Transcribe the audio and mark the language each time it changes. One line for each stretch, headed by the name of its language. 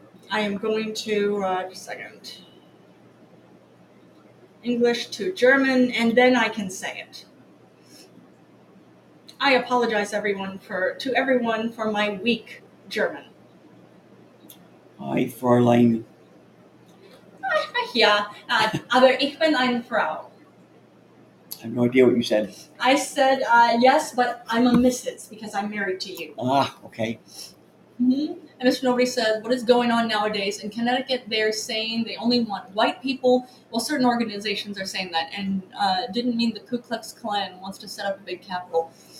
English: I am going to, just a second. English to German, and then I can say it. I apologize to everyone for my weak German. Hi, Fräulein.
German: Ja, aber ich bin eine Frau.
English: I have no idea what you said. I said, yes, but I'm a Mrs. because I'm married to you. Ah, okay. And Mr. Nobody says, what is going on nowadays? In Connecticut, they're saying they only want white people. Well, certain organizations are saying that, and didn't mean the Ku Klux Klan wants to set up a big capital.